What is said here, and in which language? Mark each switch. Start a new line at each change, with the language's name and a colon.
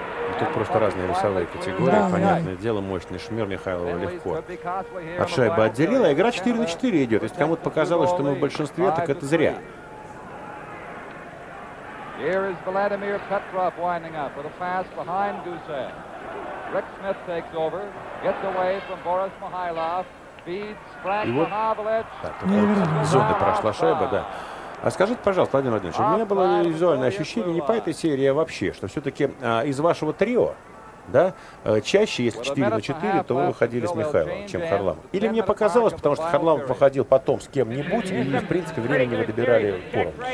Russian: И тут просто разные весовые категории. Да, понятное да. дело, мощный шмер Михайлова легко. От шайбы отделила, игра 4 на 4 идет. Если кому-то показалось, что мы в большинстве, так это зря.
English: Here is Vladimir Petrov winding up with a pass behind Gusev. Rick Smith takes over, gets away from Boris Mihailov, feeds Frank Pavlovich.
Russian: Зоны прошла шайба, да. А скажите, пожалуйста, Владимир Владимирович, у меня было визуальное ощущение не по этой серии, а вообще, что все-таки из вашего трио, да, чаще, если 4 на 4, то вы выходили с Михайловым, чем Харламов. Или мне показалось, потому что Харламов выходил потом с кем-нибудь, и, в принципе, времени вы добирали поровну.